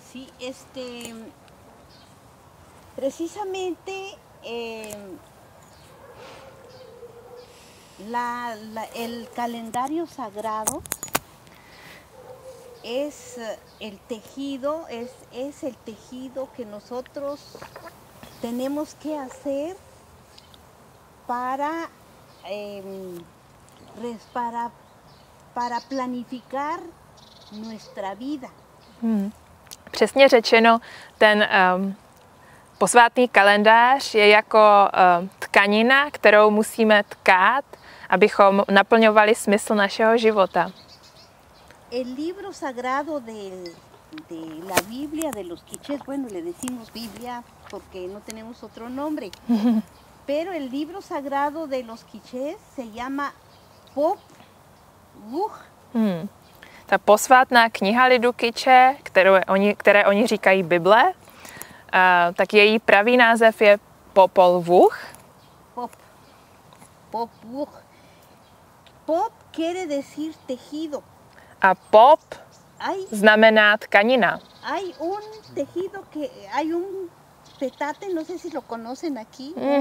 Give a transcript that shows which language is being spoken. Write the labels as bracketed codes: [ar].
[es] Sí, precisamente el calendario sagrado es el tejido que nosotros tenemos que hacer para planificar nuestra vida. [cs] Přesně řečeno, ten posvátný kalendář je jako tkanina, kterou musíme tkát, abychom naplňovali smysl našeho života. [es] El libro sagrado de la Biblia, de los quichés, bueno, le decimos Biblia porque no tenemos otro nombre, pero el libro sagrado de los quichés se llama Pop-Vuh. [cs] Ta posvátná kniha lidu Kiché, které oni říkají Bible, tak její pravý název je Popol-Vuh. [es] Pop-Vuh. Pop quiere decir tejido. [cs] A pop znamená tkanina. [es] Hay un tejido que hay un petate, no sé si lo conocen aquí.